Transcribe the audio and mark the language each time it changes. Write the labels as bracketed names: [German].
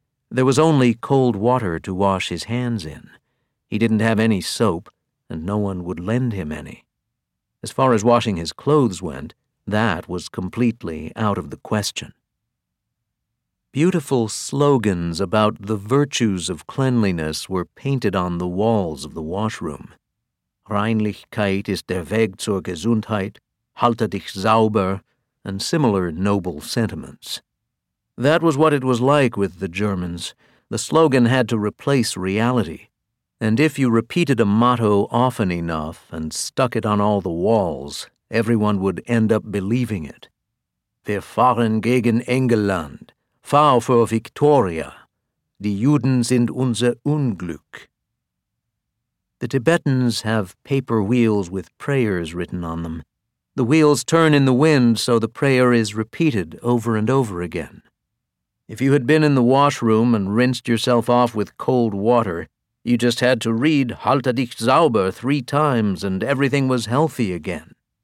[English] There was only cold water to wash his hands in. He didn't have any soap, and no one would lend him any. As far as washing his clothes went, that was completely out of the question. Beautiful slogans about the virtues of cleanliness were painted on the walls of the washroom. [German] Reinlichkeit ist der Weg zur Gesundheit, halte dich sauber, [English] and similar noble sentiments. That was what it was like with the Germans. The slogan had to replace reality. And if you repeated a motto often enough and stuck it on all the walls, everyone would end up believing it. [German] Wir fahren gegen Engeland. Fahr für Victoria. Die Juden sind unser Unglück. [English] The Tibetans have paper wheels with prayers written on them. The wheels turn in the wind, so the prayer is repeated over and over again. If you had been in the washroom and rinsed yourself off with cold water, you just had to read [German] Halte dich sauber [English] 3 times and everything was healthy again.